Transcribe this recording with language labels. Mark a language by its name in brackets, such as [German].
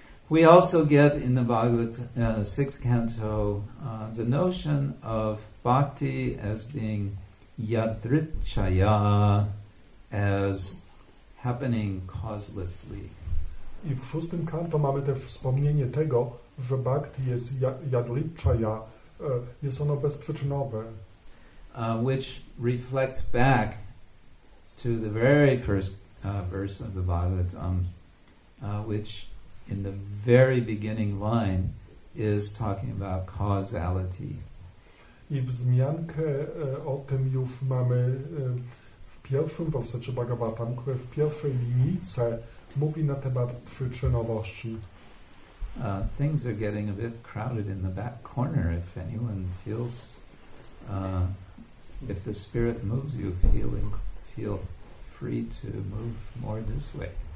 [English] We also get in the Bhagavad 6th canto the notion of bhakti as being yadrichaya, as happening causelessly. [Polish] I w 6th canto mamy też wspomnienie tego, że bhakti jest yadrichaya, jest ono bezprzyczynowe. [English] Which reflects back to the very first verse of the Bhagavad, which in the very beginning line is talking about causality. [Polish] I wzmiankę o tym już mamy w pierwszym wersecie Bhagavatam, które w pierwszej linijce mówi na temat przyczynowości. [English] Things are getting a bit crowded in the back corner. If anyone feels, if the spirit moves you, feel free to move more this way.